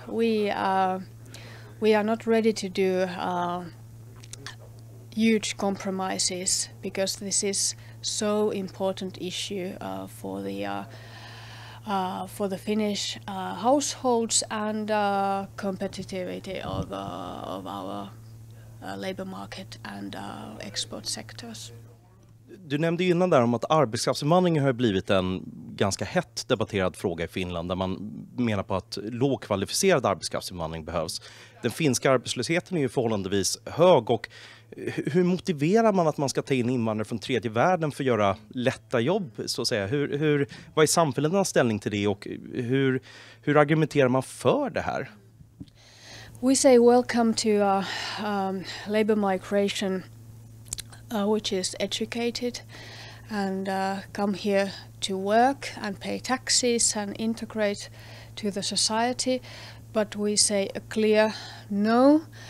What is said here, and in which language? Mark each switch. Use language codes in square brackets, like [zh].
[en] We are not ready to do huge compromises because this is so important issue for the for the Finnish households and competitivity of our labor market and export sectors. [sv] Du nämnde innan där om att arbetskraftsinvandringen har blivit en ganska hett debatterad fråga i Finland där man menar på att lågkvalificerad arbetskraftsinvandring behövs. Den finska arbetslösheten är ju förhållandevis hög, och hur motiverar man att man ska ta in invandrare från tredje världen för att göra lätta jobb, så att säga? Vad är Sannfinländarnas ställning till det, och hur argumenterar man för det här? [en] We say welcome to labor migration which is educated and come here to work and pay taxes and integrate to the society, but we say a clear no